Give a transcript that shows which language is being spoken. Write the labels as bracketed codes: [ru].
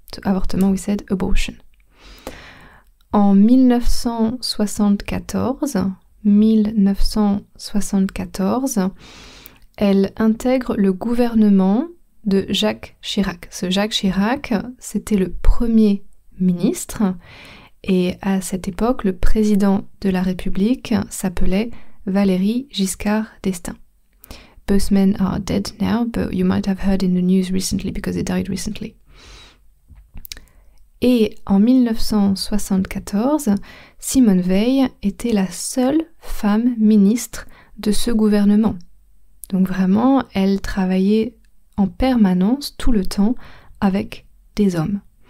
[fr] Avortement, [en] we said abortion. [fr] En 1974, elle intègre le gouvernement de Jacques Chirac. Ce Jacques Chirac, c'était le premier ministre, et à cette époque, le président de la République s'appelait Valéry Giscard d'Estaing. [en] Both men are dead now, but you might have heard in the news recently because they died recently. [fr] Et en 1974, Simone Veil était la seule femme ministre de ce gouvernement. Donc vraiment, elle travaillait en permanence, tout le temps, avec des hommes.